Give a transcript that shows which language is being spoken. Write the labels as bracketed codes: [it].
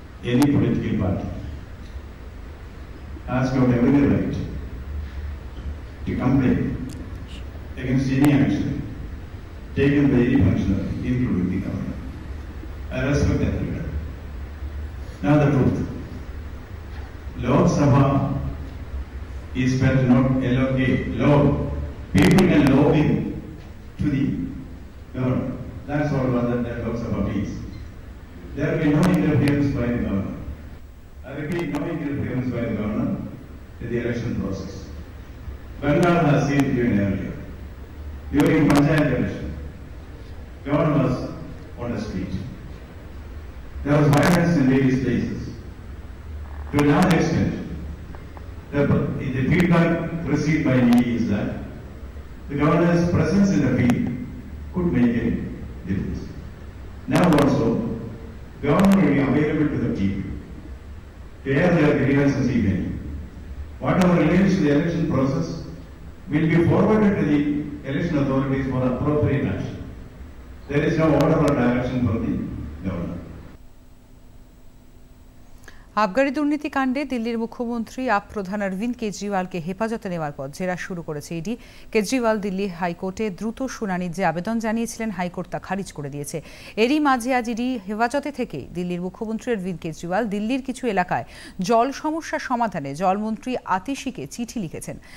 [en] Any political party has got every right two complain against any action taken by any ফাংশনারি including the governor. I respect that regard. Now the truth, Lok Sabha is better not allocate লোক people can lobby to the governor. That's all that the Lok Sabha means. There will be no interference by the governor. I repeat, no interference by the governor in the election process. Bengal has seen it even earlier. During Panchayat election, governor was on a street. There was violence in various places. To a large extent, the feedback received by me is that the governor's presence in the field could make a difference. Now also, governor will be available to the people to air their grievances evenly. Whatever relates to the election process will be forwarded to the election authorities for appropriate action. There is no order or direction from the governor. [bn] আবগারি দুর্নীতিকাণ্ডে দিল্লির মুখ্যমন্ত্রী up প্রধান অরবিন্দ কেজরিওয়ালকে হেফাজতে নেওয়ার পর জেরা শুরু করেছে ইডি। কেজরিওয়াল দিল্লি হাইকোর্টে দ্রুত শুনানির যে আবেদন জানিয়েছিলেন হাইকোর্ট তা খারিজ করে দিয়েছে। এরই মাঝে আজ ইডি হেফাজতে থেকে দিল্লির মুখ্যমন্ত্রী অরবিন্দ কেজরিওয়াল দিল্লির কিছু এলাকায় জল সমস্যা সমাধানে জলমন্ত্রী আতিশিকে চিঠি লিখেছেন।